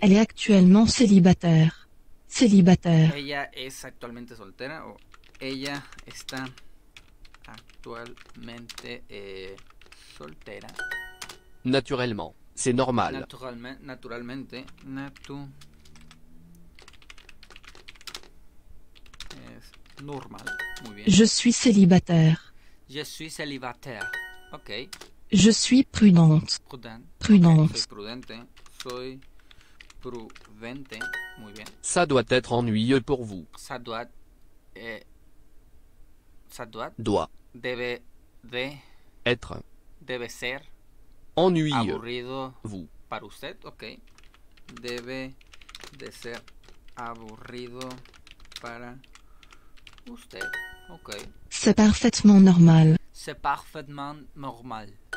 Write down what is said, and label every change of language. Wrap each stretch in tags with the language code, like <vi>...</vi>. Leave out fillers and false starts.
<fr>Elle est actuellement célibataire. Célibataire.</fr> <es>Ella es actualmente soltera o ella está actualmente soltera.</es> <fr>Naturellement, c'est normal.</fr> <es>Naturalmente. Es normal. Muy bien.</es> <fr>Je suis célibataire. Je suis célibataire. Ok. Je suis prudente.</fr> <es>Prudente. Okay. Soy prudente. Soy prudente. Muy bien.</es> <fr>Ça doit être ennuyeux pour vous. Ça doit... ça doit... Doit.</fr> <es>Debe de...</es> <fr>Être.</fr> <es>Debe ser...</es> <fr>Ennuyeux.</fr> <es>Aburrido.</es> <fr>Vous.</fr> <es>Para usted. Ok. Debe de ser aburrido para usted. Ok.</es> <fr>C'est parfaitement normal. C'est parfaitement normal.</fr>